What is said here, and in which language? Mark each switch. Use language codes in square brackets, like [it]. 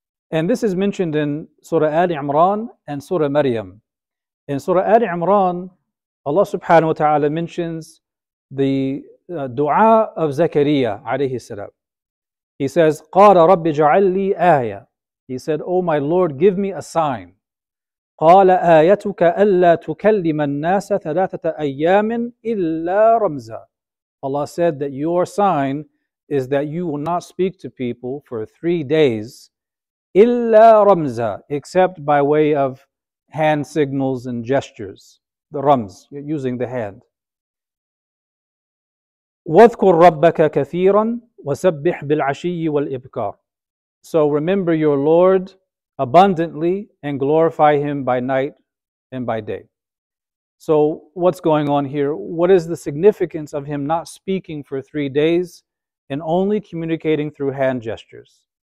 [en] And this is mentioned in Surah Ali Imran and Surah Maryam. In Surah Ali Imran, Allah subhanahu wa ta'ala mentions the dua of Zakariya alayhi salam. He says, [ar] قَالَ رَبِّ جَعَلْ لِي آيَةً. [en] He said, "Oh my Lord, give me a sign." [ar] قال آيتك ألا تكلم الناس ثلاثة أيام إلا رمزا. [en] Allah said that your sign is that you will not speak to people for 3 days, [ar] إلا رمزا, [en] except by way of hand signals and gestures. The rams, using the hand. [ar] واذكر ربك كثيرا وسبح بالعشي والإبكار. [en] So remember your Lord abundantly and glorify Him by night and by day. So what's going on here? What is the significance of Him not speaking for 3 days and only communicating through hand gestures?